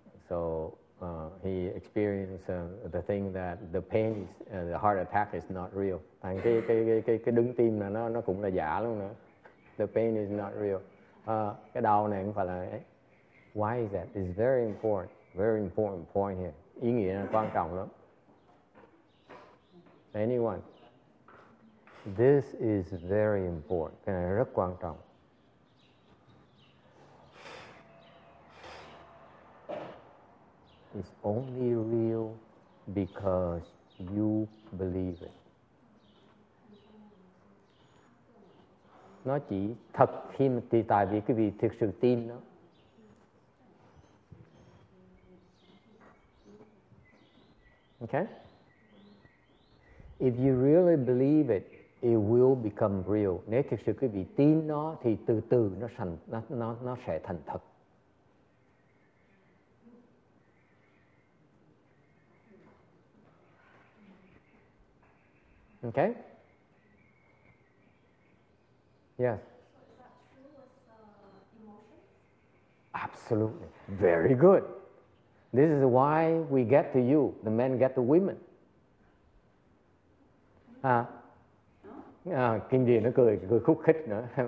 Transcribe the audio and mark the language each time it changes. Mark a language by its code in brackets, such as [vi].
[en] So he experienced the thing that the pain is, the heart attack is not real. [vi] Thành cái đứng tim là nó cũng là giả luôn nữa. [en] The pain is not real. [vi] Cái đau này không phải là ấy. [en] Why is that? It's very important point here. [vi] Ý nghĩa nó quan trọng lắm. [en] Anyone? This is very important. [vi] Cái này rất quan trọng. [en] It's only real because you believe it. [vi] Nó chỉ thật khi mà thì tại vì cái vị thực sự tin nó. [en] Okay? If you really believe it, it will become real. [vi] Nếu thực sự quý vị tin nó thì từ từ nó sẽ thành thật. [en] Okay? Yes. So is that true with emotions? Absolutely. Very good. This is why we get to you, the men get to women. [vi] Kinh điển nó cười khúc khích nữa.